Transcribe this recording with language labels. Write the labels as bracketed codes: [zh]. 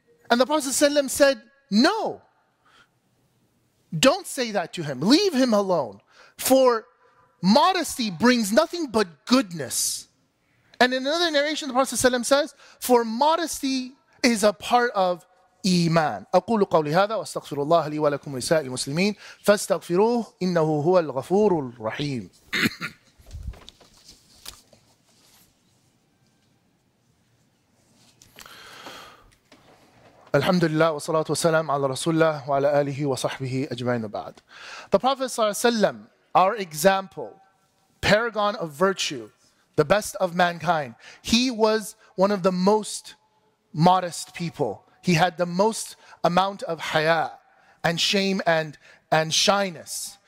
[en] And the Prophet ﷺ said, no, don't say that to him, leave him alone, for modesty brings nothing but goodness. And in another narration, the Prophet ﷺ says, for modesty is a part of iman. [ar] أقول قولي هذا واستغفر الله لي ولكم ولسائر المسلمين فاستغفروه إنه هو الغفور الرحيم. الحمد لله والصلاة والسلام على رسول الله وعلى آله وصحبه أجمعين بعد. [en] The Prophet [ar] صلى الله عليه وسلم, [en] our example, paragon of virtue, the best of mankind. He was one of the most modest people. He had the most amount of haya and shame and shyness.